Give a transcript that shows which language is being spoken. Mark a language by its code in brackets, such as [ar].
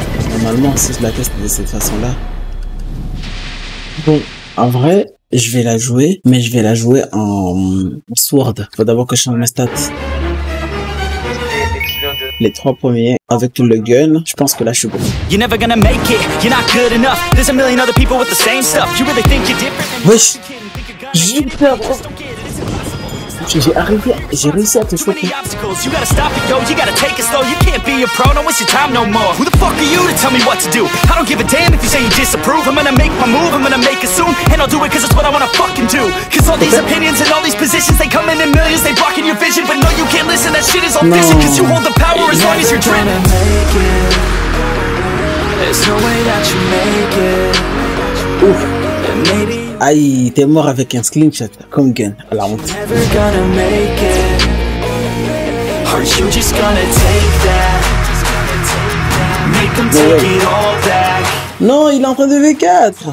[fr] Normalement, si je la teste de cette façon-là. Bon, en vrai, je vais la jouer, mais je vais la jouer en sword. Faut d'abord que je change mes stats. Les trois premiers avec tout le gun, je pense que là je suis bon. [en] You're never gonna make it, you're not good enough. There's a million other people with the same stuff. You really think you're different than you think you're gonna get it. [fr] J'ai réussi à te choper. [en] You gotta stop it, yo, you gotta take it slow. You can't be a pro, no, it's your time no more. Who the fuck are you to tell me what to do? I don't give a damn if you say you disapprove. I'm gonna make my move, I'm gonna make it soon. And I'll do it cause it's what I wanna fucking do. Cause all these opinions and all these positions, they come in millions, they blocking your vision. But no, you can't listen, that shit is all fiction. Cause you hold the power as long as you're dreaming. You're never gonna make it. There's no way that you make it. Ooh. And maybe [fr] Aïe, t'es mort avec un screenshot, comme gain, à la honte. Non, il est en train de V4.